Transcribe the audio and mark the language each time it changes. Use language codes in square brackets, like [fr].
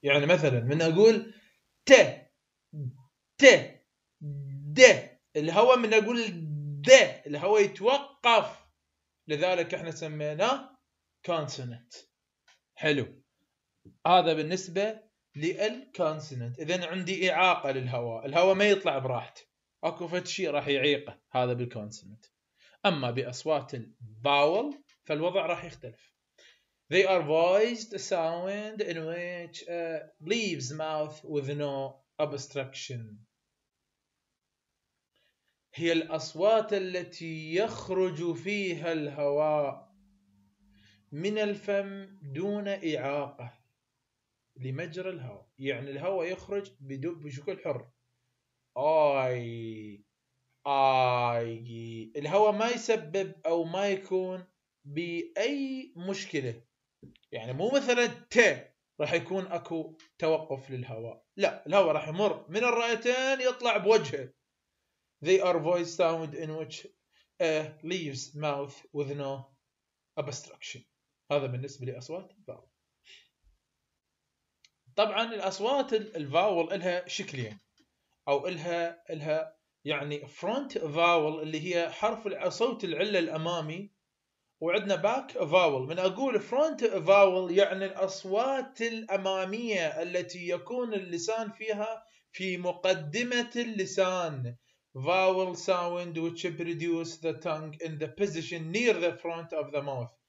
[ar] يعني مثلا من أقول ت ت د، الهواء من أقول ده الهواء يتوقف، لذلك احنا سميناه consonant. حلو، هذا بالنسبة لل consonant. اذا عندي اعاقة للهواء، الهواء ما يطلع براحته، اكو فد شيء راح يعيقه، هذا بال consonant. اما باصوات الباول فالوضع راح يختلف. [en] They are voiced a sound in which leaves mouth with no obstruction. [ar] هي الأصوات التي يخرج فيها الهواء من الفم دون إعاقة لمجرى الهواء، يعني الهواء يخرج بشكل حر. آي آي، الهواء ما يسبب أو ما يكون بأي مشكلة. يعني مو مثلا ت راح يكون أكو توقف للهواء، لا، الهواء راح يمر من الرئتين يطلع بوجهه. [en] They are voice sound in which leaves mouth with no obstruction. [ar] هذا بالنسبة لأصوات الفاول. طبعاً الأصوات الفاول إلها شكلين، أو إلها يعني front vowel اللي هي حرف صوت العلة الأمامي، وعندنا back vowel. من أقول front vowel يعني الأصوات الأمامية التي يكون اللسان فيها في مقدمة اللسان. [en] Vowel sound which produces the tongue in the position near the front of the mouth.